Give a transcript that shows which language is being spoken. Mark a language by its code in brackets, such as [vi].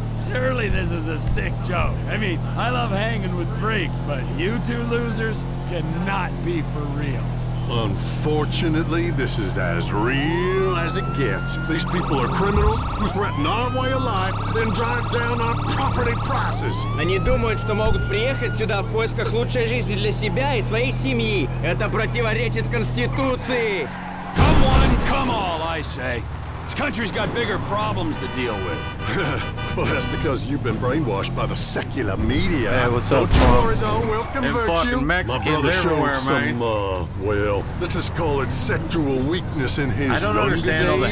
[en] Surely this is a sick joke. I mean, I love hanging with freaks, but you two losers cannot be for real. Unfortunately, this is as real as it gets. These people are criminals who threaten our way of life and drive down our property prices. [ru] Они думают, что могут приехать сюда в поисках лучшей жизни для себя и своей семьи. Это противоречит Конституции. [en] Come one, come all, I say. This country's got bigger problems to deal with. Well, that's because you've been brainwashed by the secular media. Hey, what's up, don't you worry, though, we'll convert fucking you. Mexicans, my brother showed some, Well, let's just call it sexual weakness in his younger days. I don't understand